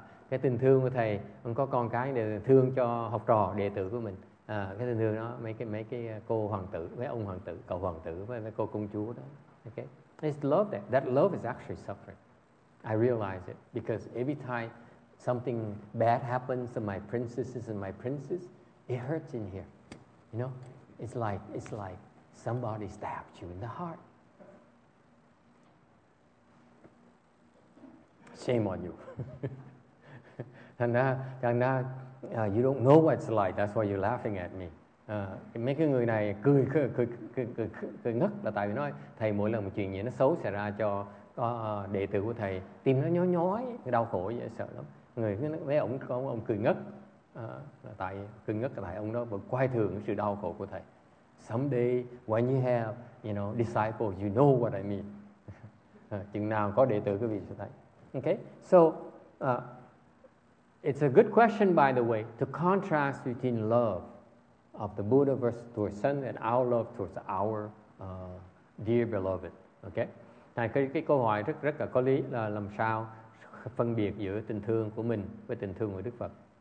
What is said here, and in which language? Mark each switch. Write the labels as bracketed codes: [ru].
[vi] Cái tình thương của thầy, ông có con cái để thương cho học trò đệ tử của mình. Cái tình thương đó mấy cái cô hoàng tử với ông hoàng tử, cậu hoàng tử với mấy cô công chúa đó. [en] Okay. It's love that. That love is actually suffering. I realize it because every time something bad happens to my princesses and my princes, it hurts in here. You know? It's like somebody stabbed you in the heart. Shame on you. [vi] Thành ra, [en] you don't know what it's like. That's why you're laughing at me. [vi] Mấy cái người này cười ngất là tại vì nói thầy mỗi lần một chuyện gì nó xấu xảy ra cho đệ tử của thầy, tim nó nhói nhói, đau khổ vậy, sợ lắm. Người mấy ông cười ngất là tại cười ngất là tại ông đó vẫn quay thường sự đau khổ của thầy. [en] Someday when you have, you know, disciples, you know what I mean. [vi] Chừng nào có đệ tử quý vị sẽ thấy. [en] Okay, so it's a good question, by the way, to contrast between love of the Buddha versus to a son and our love towards our dear beloved. Okay, [vi] này cái câu hỏi rất là có lý là làm sao phân biệt giữa tình thương của mình với tình thương của Đức Phật.